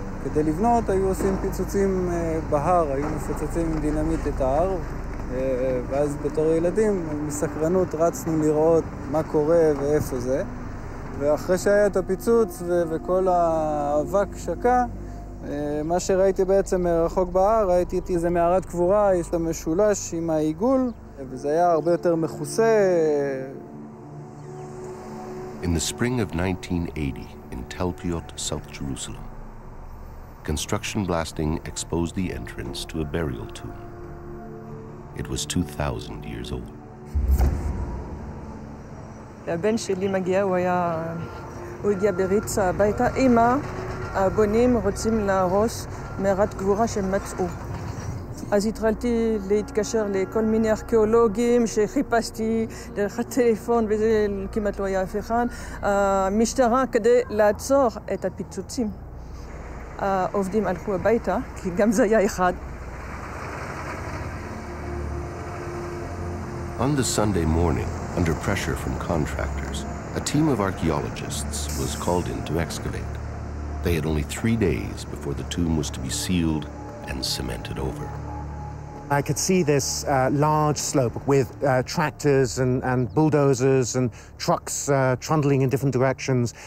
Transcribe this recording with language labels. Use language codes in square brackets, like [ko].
[he] כדי לבנות היו עושים פיצוצים בהר, היו מפוצצים עם דינמיט את ההר, ואז בתור ילדים, מסקרנות, רצנו לראות מה קורה ואיפה זה. ואחרי שהיה את הפיצוץ וכל האבק שקע, מה שראיתי בעצם רחוק בהר, ראיתי את איזה מערת קבורה, יש לה משולש עם העיגול, וזה היה הרבה יותר מכוסה. [en] In the spring of 1980, in Tel Piot, South Jerusalem, construction blasting exposed the entrance to a burial tomb. It was 2,000 years old. [he] הבן שלי מגיע, הוא הגיע בריצה הביתה, אמא, הבונים רוצים להרוס מערת קבורה שהם מצאו. אז התחלתי להתקשר לכל מיני ארכיאולוגים שחיפשתי דרך הטלפון וזה כמעט לא היה אף אחד. המשטרה כדי לעצור את הפיצוצים. העובדים הלכו הביתה, כי גם זה היה אחד. [en] On the Sunday morning, under pressure from contractors, a team of archaeologists was called in to excavate. They had only 3 days before the tomb was to be sealed and cemented over. I could see this large slope with tractors and bulldozers and trucks trundling in different directions.